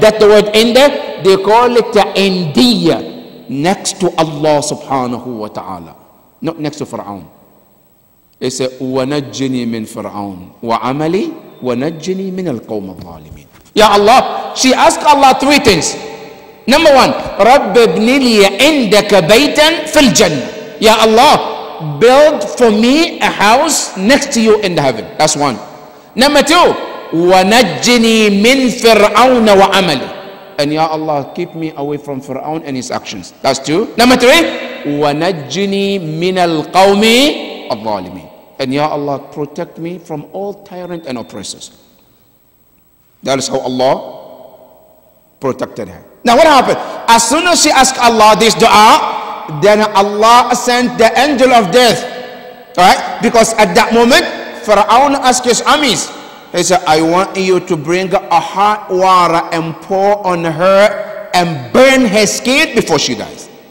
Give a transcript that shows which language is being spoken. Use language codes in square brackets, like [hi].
[en] That the word inda, they call it indiya. Next to Allah subhanahu wa ta'ala. Not next to Fir'aun. He said, [ar] وَنَجِّنِي مِنْ فِرْعَوْنِ وَعَمَلِي وَنَجِّنِي مِنَ الْقَوْمَ الظَّالِمِينَ. [en] Ya Allah, she asked Allah three things. Number one, [ar] رَبِّ ابْنِ لِي عِنْدَكَ بَيْتًا فِي الْجَنَّةِ. [en] Ya Allah, build for me a house next to you in the heaven. That's one. Number two, [ar] وَنَجِّنِي مِنْ فِرْعَوْنَ وَعَمَلِي. [en] And Ya Allah, keep me away from Fir'aun and his actions. That's two. Number three, [ar] وَنَجِّنِي مِنَ الْقَوْمِ الظَّالِمِينَ. [en] And Ya Allah, protect me from all tyrant and oppressors. That is how Allah protected her. Now what happened? As soon as she asked Allah this dua, then Allah sent the angel of death. Right? Because at that moment, Fir'aun asked his armies, he said, I want you to bring a hot water and pour on her and burn her skin before she dies.